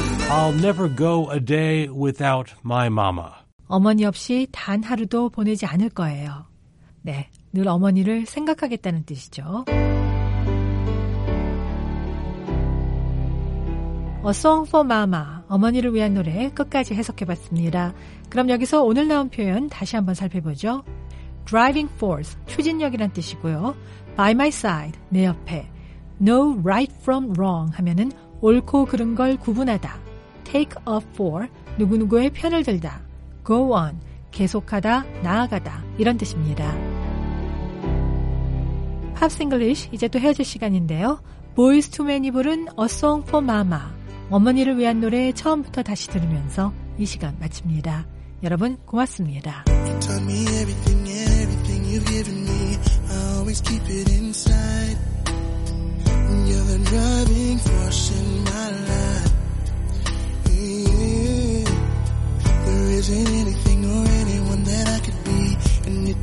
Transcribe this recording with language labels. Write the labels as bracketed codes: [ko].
[en] I'll never go a day without my mama. [ko] 어머니 없이 단 하루도 보내지 않을 거예요. 네, 늘 어머니를 생각하겠다는 뜻이죠. A Song for Mama, 어머니를 위한 노래 끝까지 해석해봤습니다. 그럼 여기서 오늘 나온 표현 다시 한번 살펴보죠. Driving force, 추진력이란 뜻이고요. [en] By my side, [ko] 내 옆에. [en] No right from wrong [ko] 하면은 옳고 그른 걸 구분하다. [en] Take up for, [ko] 누구누구의 편을 들다. Go on, 계속하다, 나아가다. 이런 뜻입니다. Pops English, 이제 또 헤어질 시간인데요. Boyz II Men이 부른 A Song for Mama, 어머니를 위한 노래 처음부터 다시 들으면서 이 시간 마칩니다. 여러분, 고맙습니다. [en] You taught me everything and everything you've given me. I always keep it inside. You're the driving force in my life. Yeah. There isn't anything or anyone that I could be, and it